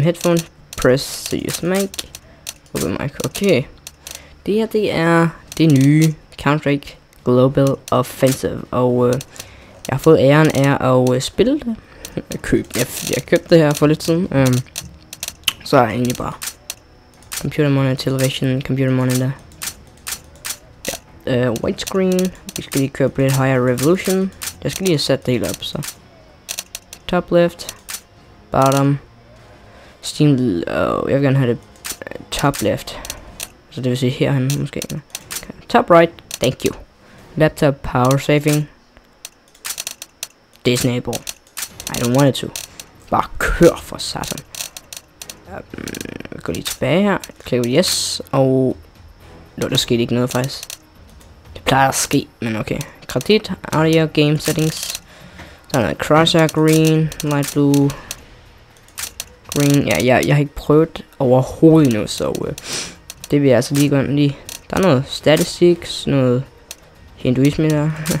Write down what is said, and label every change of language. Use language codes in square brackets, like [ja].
[en] Headphone, press, serious mic, open mic, okay. [da] Det her, det er det nye Counter-Strike Global Offensive, og jeg har fået æren af at spille det. Jeg købte det her for lidt siden. Så er egentlig bare computer monitor, television, computer monitor. Ja, white screen. Vi skal lige køre på lidt higher resolution. Jeg skal lige sætte det hele op, så. Top left, bottom, steam, jeg vil gerne have det top left. Så det vil sige herhen måske. [en] Okay. Top right, thank you. Laptop power saving. Disable. I don't want it to. [da] Bare kør for satan. Jeg går lige tilbage her, klikker yes, og nå, der skete ikke noget faktisk. Det plejer at ske, men okay. Kredit, audio, game settings. Der er noget crosshair green, light blue, green. Ja, jeg har ikke prøvet overhovedet nu, så det vil jeg altså lige gå ind i. Der er noget statistics, noget hinduisme der.